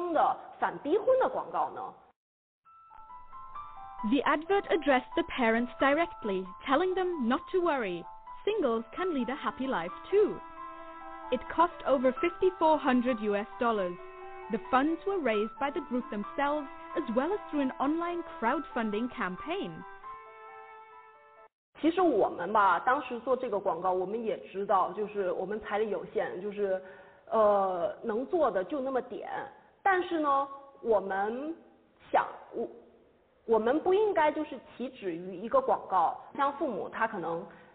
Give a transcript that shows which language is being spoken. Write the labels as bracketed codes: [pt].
[zh] 在就是去年年底的时候，就在某一次线下聚会的时候，这个春节又要来了，然后又要回家了。这个就是我们那些未婚的小伙伴，然后就开始在说，这个亲戚又要催了，然后父母又要逼了。就这个时候，忽然间有个小伙伴，他忽然间就是灵机一闪，那有没有这个可能性，就是我们来出钱来去做一个能够反映年轻人心声的反逼婚的广告呢？ [en] The advert addressed the parents directly, telling them not to worry. Singles can lead a happy life too. It cost over $5,400. The funds were raised by the group themselves, as well as through an online crowdfunding campaign. [zh] 其实我们吧，当时做这个广告，我们也知道，就是我们财力有限，就是能做的就那么点。但是呢，我们想，我们不应该就是起止于一个广告，像父母他可能。